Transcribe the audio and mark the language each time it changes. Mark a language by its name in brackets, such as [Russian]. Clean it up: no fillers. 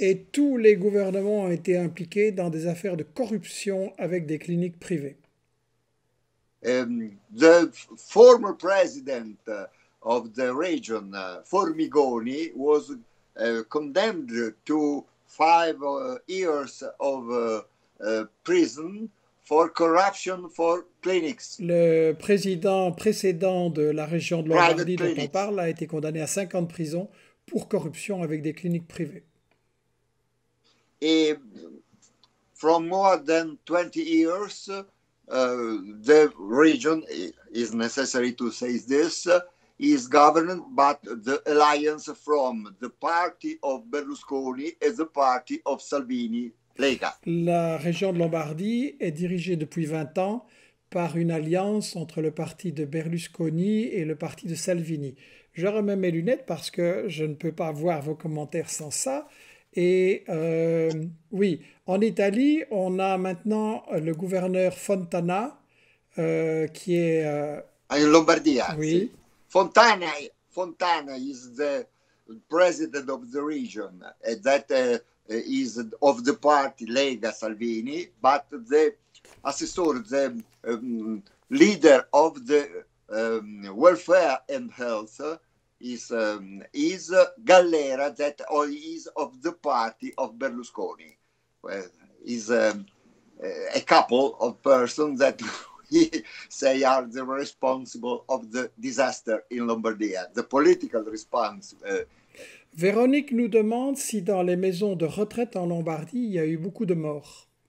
[French] Et tous les gouvernements ont été impliqués dans des affaires de corruption avec des cliniques privées. [English] The former president of the region, Formigoni, was condemned to 5 years of prison for corruption for clinics. [French] Le président précédent de la région de Lombardie dont on parle a été condamné à 5 ans de prison pour corruption avec des cliniques privées. [English] Et from more than 20 years, the region, it is necessary to say this, is governed, but the alliance from the party of Berlusconi and the party of Salvini, Lega. [French] La région de Lombardie est dirigée depuis 20 ans par une alliance entre le parti de Berlusconi et le parti de Salvini. Je remets mes lunettes parce que je ne peux pas voir vos commentaires sans ça. Et oui, en Italie, on a maintenant le gouverneur Fontana qui est... En Lombardie, oui. Si. [English] Fontana is the president of the region, and that is of the party Lega Salvini, but the assessor, the leader of the welfare and health is Gallera, that is of the party of Berlusconi. Well, is a couple of persons that say are the responsible of the disaster in Lombardy, the political response. [French] Véronique nous demande si dans les maisons de retraite en Lombardie, il y a eu beaucoup de morts.